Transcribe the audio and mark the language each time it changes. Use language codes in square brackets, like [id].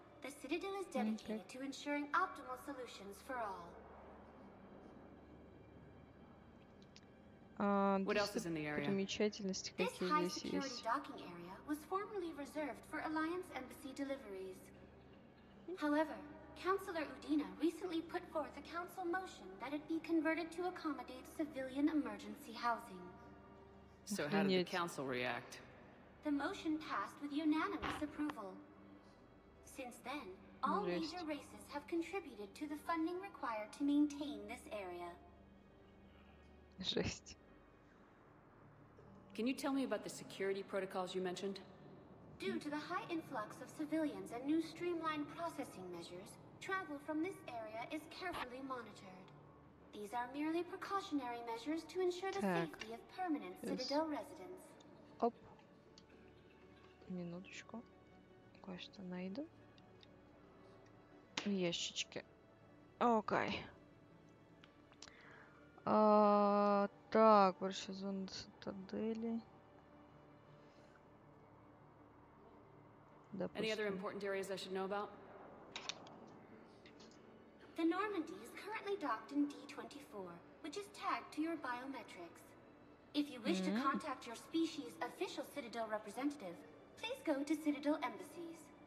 [en] The Citadel is dedicated to ensuring optimal solutions for all. [ru] Примечательности какие здесь есть. [en] Docking area was formerly reserved for Alliance Embassy deliveries. However, Councillor Udina recently put forth a council motion that it be converted to accommodate civilian emergency housing. So how did the council react? The motion passed with unanimous approval. Since then, all major races have contributed to the funding required to maintain this area. [ru] Жесть. [en] Can you tell me about the security protocols you mentioned? Due to the high influx of civilians and new streamlined processing measures, travel from this area is carefully monitored. These are merely precautionary measures to ensure the safety of permanent Citadel residents. Оп. [ru] Минуточку. Кое-что найду. в ящичке. Окей. Так, большая зона цитадели. Допустим. [en] Any other important areas I should know about? The Normandy is currently docked in D24, which is tagged to your biometrics. If you wish to contact your species' official Citadel representative, please go to Citadel embassies.